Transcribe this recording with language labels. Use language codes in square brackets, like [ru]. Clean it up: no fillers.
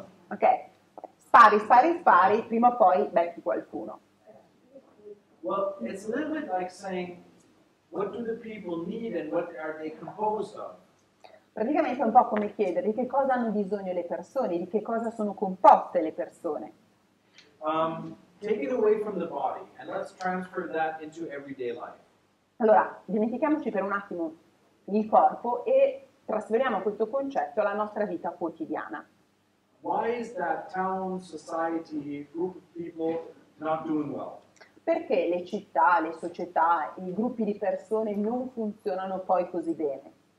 [it] Ok, spari, prima o poi becchi qualcuno. [en] Well, it's a little bit like saying, what do the people need and what are they composed of? [it] Praticamente è un po' come chiedere di che cosa hanno bisogno le persone, di che cosa sono composte le persone. [en] Take it away from the body and let's transfer that into everyday life. [it] Allora, dimentichiamoci per un attimo il corpo e trasferiamo questo concetto alla nostra vita quotidiana. [en] Why is that town, society, group of people not doing well? [it] Perché le città, le società, i gruppi di persone non funzionano poi così bene?